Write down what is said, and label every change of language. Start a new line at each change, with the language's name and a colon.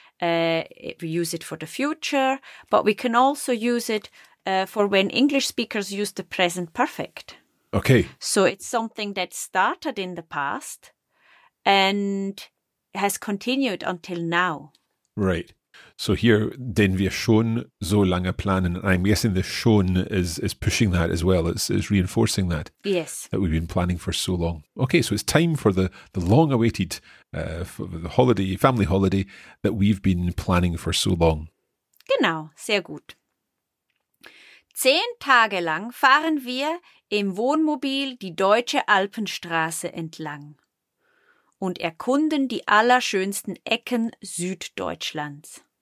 English: We use it for the future, but we can also use it for when English speakers use the present perfect. Okay. So it's something that started in the past and has continued until now. Right. So here,
German: den wir schon so lange planen.
English: I'm guessing the schon is pushing that as well. It's reinforcing that. Yes. That we've been planning for so long. Okay, so it's time for the long-awaited family holiday that we've been planning for so long.
German: Genau, sehr gut. 10 Tage lang fahren wir im Wohnmobil die deutsche Alpenstraße entlang und erkunden die allerschönsten Ecken Süddeutschlands.